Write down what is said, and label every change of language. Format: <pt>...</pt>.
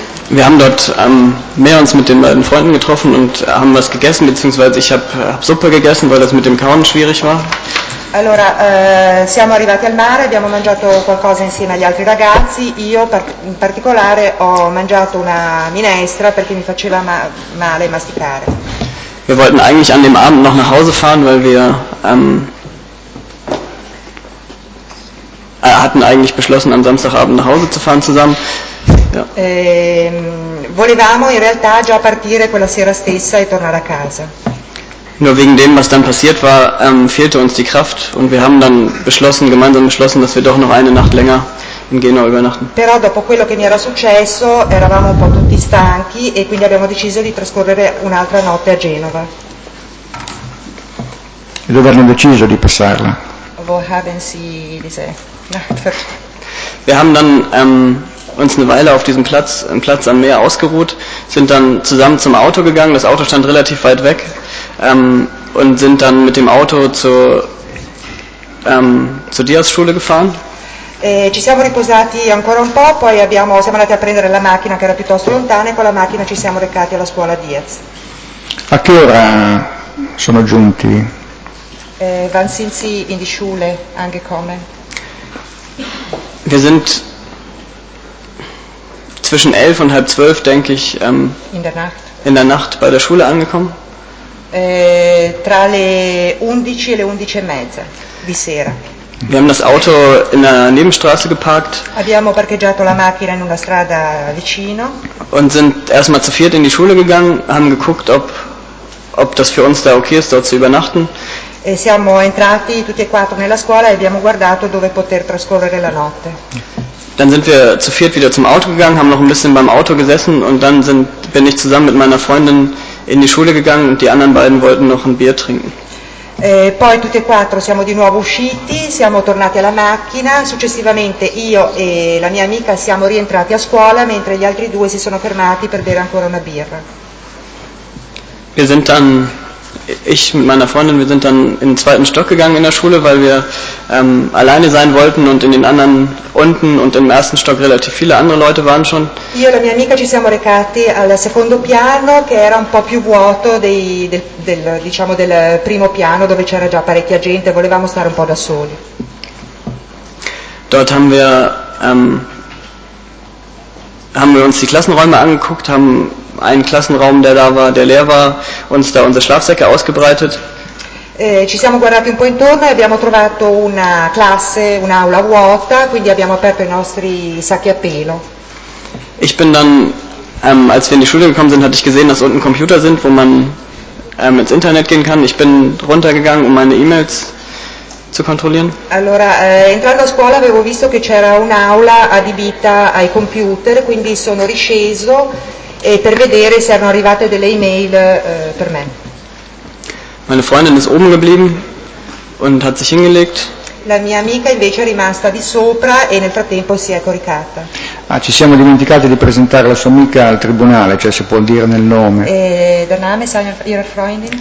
<de>Wir haben dort mehr uns mit den beiden Freunden getroffen und haben was gegessen, beziehungsweise ich hab Suppe gegessen, weil das mit dem Kauen schwierig war.</de> <it>Allora, siamo arrivati al mare, abbiamo mangiato qualcosa insieme agli altri ragazzi. Io in particolare ho mangiato una minestra perché mi faceva male masticare.</it> <de>Wir wollten eigentlich an dem Abend noch nach Hause fahren, weil wir hatten eigentlich beschlossen, am Samstagabend nach Hause zu fahren zusammen. Ja.</de> <it>Volevamo in realtà già partire quella sera stessa e tornare a casa.</it> <de>Nur wegen dem, was dann passiert war, fehlte uns die Kraft und wir haben dann gemeinsam beschlossen, dass wir doch noch eine Nacht länger in Genua übernachten.</de> <it>Però dopo quello che mi era successo, eravamo un po' tutti stanchi e quindi abbiamo deciso di trascorrere un'altra notte a Genova. E dove hanno deciso di passarla?</it> <de>Wo haben Sie diese Nacht verbracht? Wir haben dann uns eine Weile auf diesem Platz, im Platz am Meer ausgeruht, sind dann zusammen zum Auto gegangen, das Auto stand relativ weit weg, und sind dann mit dem Auto zur Diaz-Schule gefahren.</de> <it>Ci siamo riposati ancora un po', poi siamo andati a prendere la macchina che era piuttosto lontana e con la macchina ci siamo recati alla scuola Diaz. A che ora sono giunti?</it> <de>Wann sind Sie in die Schule angekommen? Wir sind zwischen 11 und 11:30, denke ich, in der Nacht bei der Schule angekommen.</de> <it>Tra le 11 e le 11:30 di sera.</it> <de>Wir haben das Auto in einer Nebenstraße geparkt.</de> <it>Abbiamo parcheggiato la macchina in una strada vicino.</it> <de>Und sind erstmal zu viert in die Schule gegangen, haben geguckt, ob das für uns da okay ist, dort zu übernachten.</de> <it>E siamo entrati tutti e quattro nella scuola e abbiamo guardato dove poter trascorrere la notte.</it> <de>Dann sind wir zu viert wieder zum Auto gegangen, haben noch ein bisschen beim Auto gesessen und dann bin ich zusammen mit meiner Freundin in die Schule gegangen und die anderen beiden wollten noch ein Bier trinken.</de> <it>Poi tutti e quattro siamo di nuovo usciti, siamo tornati alla macchina, successivamente io e la mia amica siamo rientrati a scuola, mentre gli altri due si sono fermati per bere ancora una birra.</it> <de>Wir sind dann, ich mit meiner Freundin, wir sind dann in den zweiten Stock gegangen in der Schule, weil wir alleine sein wollten und in den anderen unten und im ersten Stock relativ viele andere Leute waren schon.</de> <it>Io e la mia amica ci siamo recati al secondo piano, che era un po' più vuoto del primo piano, dove c'era già parecchia gente, volevamo stare un po' da soli.</it> <de>Dort haben wir uns die Klassenräume angeguckt, haben einen Klassenraum, der da war, der leer war, uns da unsere Schlafsäcke ausgebreitet.</de> <it>Ci siamo guardati un po' intorno e abbiamo trovato una classe, un'aula vuota, quindi abbiamo aperto i nostri sacchi a pelo.</it> <de>Ich bin dann, als wir in die Schule gekommen sind, hatte ich gesehen, dass unten Computer sind, wo man ins Internet gehen kann. Ich bin runtergegangen, um meine E-Mails zu kontrollieren.</de> <it>Allora, entrando a scuola avevo visto che c'era un'aula adibita ai computer, quindi sono risceso per vedere se erano arrivate delle email per me.</it> <de>Meine Freundin ist oben geblieben und hat sich hingelegt.</de> <it>La mia amica invece è rimasta di sopra e nel frattempo si è coricata. Ah, ci siamo dimenticati di presentare la sua amica al tribunale, cioè se può dire nel nome.</it> <de>Der Name ist ihre Freundin?</de>